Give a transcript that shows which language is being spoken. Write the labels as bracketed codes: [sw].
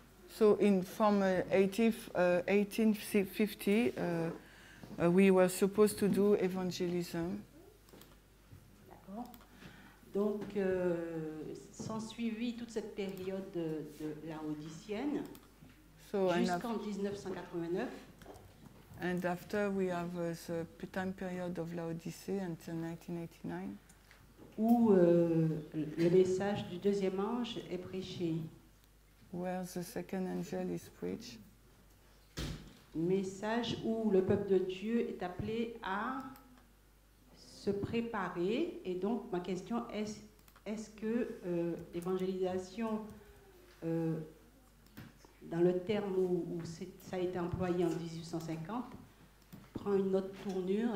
[en] So from 1850, we were supposed to do evangelism. [fr] D'accord. Donc s'ensuivit toute cette période de laodicienne jusqu'en 1989. [en] And after we have the time period of Laodicea until 1989, [fr] où le message du deuxième ange est prêché, [en] where the second angel is preached, [fr] message où le peuple de Dieu est appelé à se préparer. Et donc ma question est-ce que l'évangélisation dans le terme où ça a été employé en 1850 prend une autre tournure?